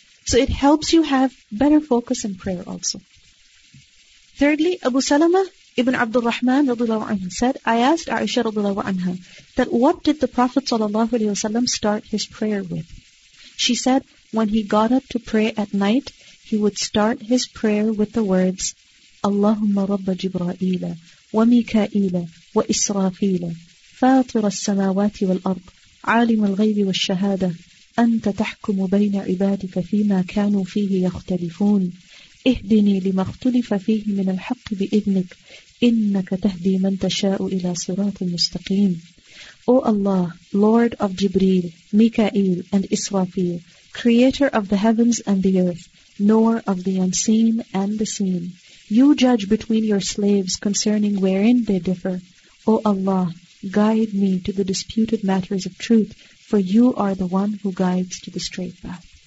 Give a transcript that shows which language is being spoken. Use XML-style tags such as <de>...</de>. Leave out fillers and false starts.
<en>So it helps you have better focus in prayer also. Thirdly, Abu Salama ibn Abdul Rahman radiallahu anhu said, I asked Aisha radiallahu anha that what did the Prophet sallallahu alayhi wa sallam start his prayer with? She said, when he got up to pray at night, he would start his prayer with the words,</en> <ar>Allahumma rabba Jibra'ila wa Mika'ila wa Israfila. فاطر السماوات والأرض عالم الغيب والشهادة أنت تحكم بين عبادك فيما كانوا فيه يختلفون اهدني لما اختلف فيه من الحق بإذنك إنك تهدي من تشاء إلى صراط مستقيم.</ar> <en>O Allah, Lord of Jibreel, Mikael and Israfil, Creator of the heavens and the earth, Knower of the unseen and the seen, You judge between Your slaves concerning wherein they differ. O Allah, guide me to the disputed matters of truth, for you are the one who guides to the straight path.</en>